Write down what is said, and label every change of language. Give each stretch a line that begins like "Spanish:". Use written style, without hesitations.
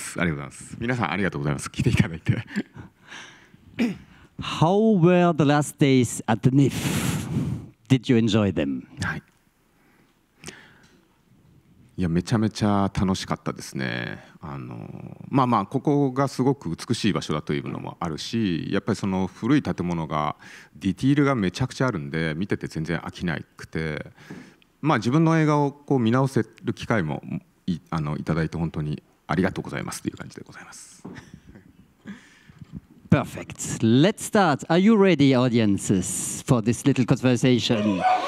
Japanese: ありがとうございます。皆さんありがとうございます。来ていただいて。
English: How were the last days at the NIF? Did you enjoy them?
Japanese: はい。いや、めちゃめちゃ楽しかったですね。まあまあ、ここがすごく美しい場所だというのもあるし、やっぱりその古い建物がディティールがめちゃくちゃあるんで、見てて全然飽きなくて、まあ自分の映画をこう見直せる機会もいただいて本当にありがとうございますという感じでございます。
English: Perfect. Let's start. Are you ready, audiences, for this little conversation?